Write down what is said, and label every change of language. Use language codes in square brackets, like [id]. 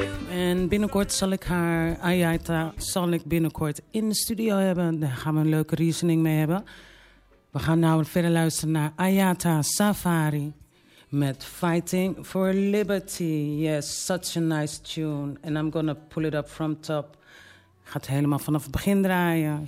[nl] En binnenkort zal ik haar, Ayata, zal ik binnenkort in de studio hebben. Daar gaan we een leuke reasoning mee hebben. We gaan nou verder luisteren naar Ayata Safari. Met [en] Fighting for Liberty. Yes, such a nice tune. And I'm gonna pull it up from top. [nl] Gaat helemaal vanaf het begin draaien.